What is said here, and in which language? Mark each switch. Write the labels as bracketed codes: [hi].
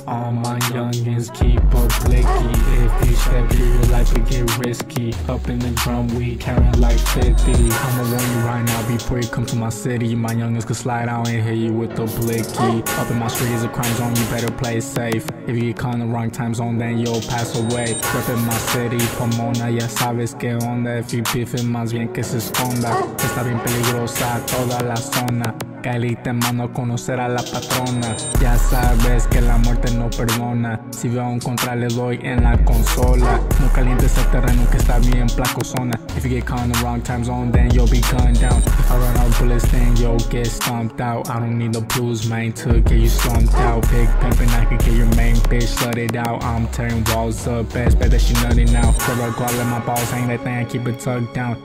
[en] All my youngins keep up licky. If you step here, your life will get risky. Up in the drum, we carrying like 50. I'ma warn you right now before you come to my city. My youngins could slide out and hit you with the blicky. Up in my street is a crime zone, you better play safe. If you get caught in the wrong time zone, then you'll pass away. Up in my city, Pomona, [es] ya sabes que onda. [en] If you beefing, [es] más bien que se esconda. Está bien peligrosa toda la zona. Cali te mando a conocer a la patrona. Ya sabes que la muerte no perdona. Si veo a un contra le doy en la consola. No calientes el terreno que está bien placo zona. [en] If you get caught in the wrong time zone, then you'll be gunned down. If I run out bullets, then you'll get stomped out. I don't need the blues, man, to get you stomped out. Pig pimpin', I can get your main bitch slutted out. I'm tearing walls up, best bet that she nutty now. Where I go, I let my balls hang, that thing I keep it tucked down.